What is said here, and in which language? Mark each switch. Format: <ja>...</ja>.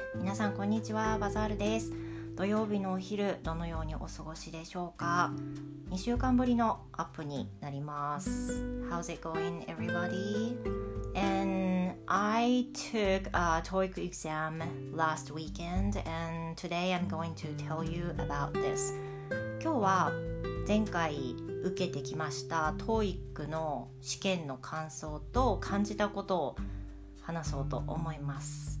<ja>皆さんこんにちは、バザールです。土曜日のお昼どのようにお過ごしでしょうか。 2週間ぶりのアップになります。</ja> <en>How's it going everybody? And I took a TOEIC exam last weekend and today I'm going to tell you about this.</en> <ja>今日は前回受けてきましたTOEICの試験の感想と感じたことを話そうと思います。</ja>